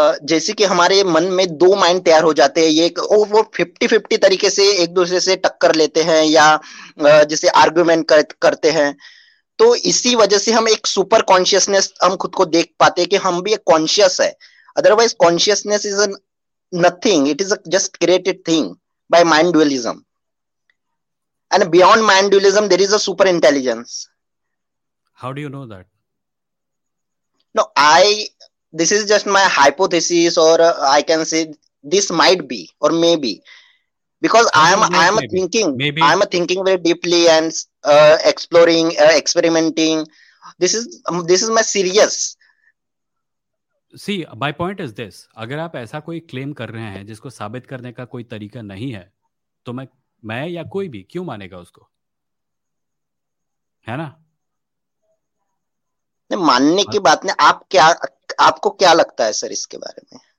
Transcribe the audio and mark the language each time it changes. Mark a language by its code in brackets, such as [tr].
[hi] जैसे कि हमारे मन में दो माइंड तैयार हो जाते हैं, एक वो 50-50 तरीके से एक दूसरे से टक्कर लेते हैं या जैसे आर्गुमेंट करते हैं, तो इसी वजह से हम एक सुपर कॉन्शियसनेस, हम खुद को देख पाते हैं कि हम भी एक कॉन्शियस है. [en] Otherwise consciousness is nothing, it is just created thing by mind dualism, and beyond mind dualism there is a super intelligence. How do you know that? No, this is just my hypothesis, or I can say this might be or maybe, because I am thinking very deeply and exploring, experimenting. This is my serious. See, my point is this. [hi] अगर आप ऐसा कोई claim कर रहे हैं जिसको साबित करने का कोई तरीका नहीं है, तो मैं या कोई भी क्यों मानेगा उसको, है ना? मानने की बात नहीं, आप क्या, आपको क्या लगता है सर इसके बारे में?